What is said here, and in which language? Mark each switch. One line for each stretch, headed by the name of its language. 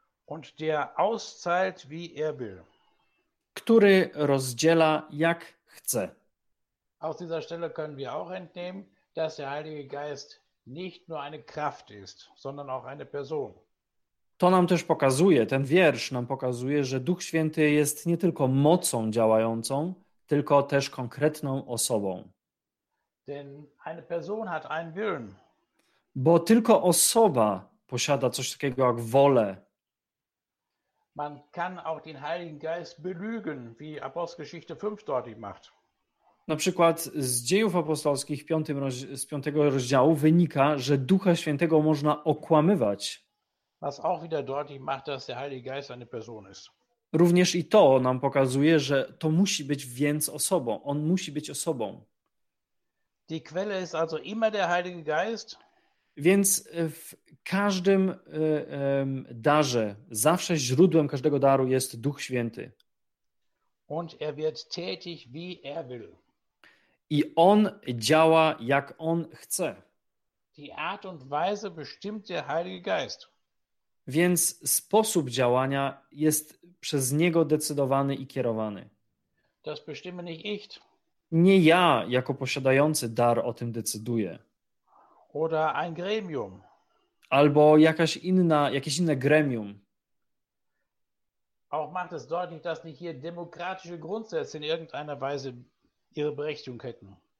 German: Und der auszahlt, wie will.
Polish: Który rozdziela, jak chce.
German: Aus dieser Stelle können wir auch entnehmen, dass der Heilige Geist nicht nur eine Kraft ist, sondern auch eine Person.
Polish: To nam też pokazuje, ten wiersz nam pokazuje, że Duch Święty jest nie tylko mocą działającą, tylko też konkretną osobą.
German: Denn eine Person hat einen Willen.
Polish: Bo tylko osoba posiada coś takiego jak wolę.
German: Man kann auch den Heiligen Geist belügen, wie Apostelgeschichte 5 deutlich macht.
Polish: Na przykład z Dziejów Apostolskich z 5 rozdziału wynika, że Ducha Świętego można okłamywać.
German: Was auch wieder deutlich macht, dass der Heilige Geist eine Person ist.
Polish: Również i to nam pokazuje, że to musi być więc osobą. On musi być osobą.
German: Die Quelle ist also immer der Heilige Geist.
Polish: Więc w każdym darze, zawsze źródłem każdego daru jest Duch Święty.
German: Und wird tätig, wie will.
Polish: I on działa, jak on chce.
German: Die Art und Weise bestimmt der Heilige Geist.
Polish: Więc sposób działania jest przez niego decydowany i kierowany.
German: Das bestimme nicht ich.
Polish: Nie ja, jako posiadający dar, o tym decyduję.
German: Oder ein Gremium.
Polish: Albo jakaś inna, jakieś inne gremium.
German: Auch macht es deutlich, dass nicht hier demokratische Grundsätze in irgendeiner Weise ihre Berechtigung hätten.